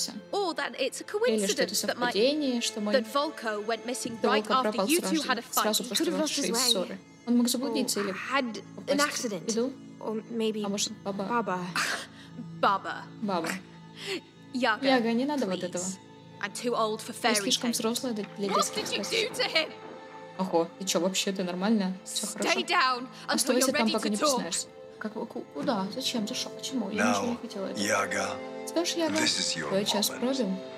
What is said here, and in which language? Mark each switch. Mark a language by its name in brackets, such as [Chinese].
[English] Or that it's a coincidence that that Volko went missing right after you two had a fight? He could have lost his way. [Russian] Он мог заблудиться или [English] had an accident? Or maybe [Russian] Baba. Baba. Яга, не надо вот этого. [English] I'm too old for fairy tales. [Russian] Я слишком взрослая для детских сказок. [English] What did you do to him? [Russian] Ого, ты что, вообще ты нормально? Все хорошо? [English] Stay down until you're ready to talk. [Russian] Как, куда? Зачем? За что? Почему? Я ничего не хотела этого. Яга. Скажешь, Яга, твой час пробил?